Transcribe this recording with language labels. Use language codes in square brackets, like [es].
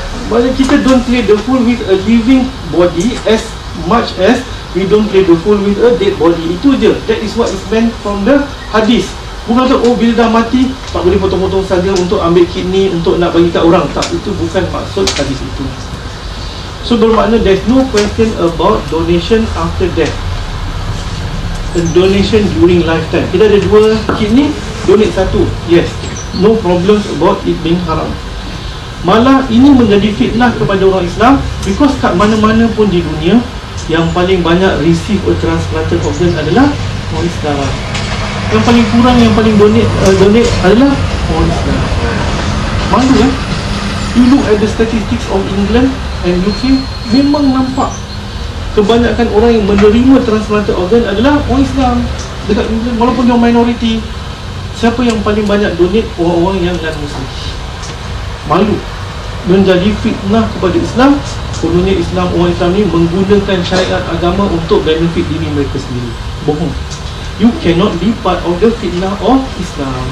[ms] Maksudnya kita [en] don't treat the fool with a living body as much as we don't treat the fool with a dead body. [ms] Itu je. [en] That is what is meant from the hadith. [ms] Bukan tu, oh bila dah mati, tak boleh potong-potong saja untuk ambil kidney, untuk nak bagi kat orang. Tak, itu bukan maksud hadith itu. [en] So [ms] bermakna [en] there's no question about donation after death. And donation during lifetime. [ms] Kita ada dua kidney, donate satu. [en] Yes, no problems about it being haram. [ms] Malah ini menjadi fitnah kepada orang Islam because kat mana-mana pun di dunia yang paling banyak [en] receive a transplanted organ [ms] adalah orang Islam. Yang paling kurang, yang paling donate adalah orang Islam. Malu kan? [en] You look at the statistics of England and UK, [ms] memang nampak kebanyakan orang yang menerima transplanted organ adalah orang Islam dekat England, walaupun dia minority. Siapa yang paling banyak donate? Orang-orang yang non-Muslim. Malu. Menjadi fitnah kepada Islam. Kononnya Islam, orang Islam ni menggunakan syariat agama untuk benefit diri mereka sendiri. Bohong. [en] You cannot be part of the fitnah of Islam.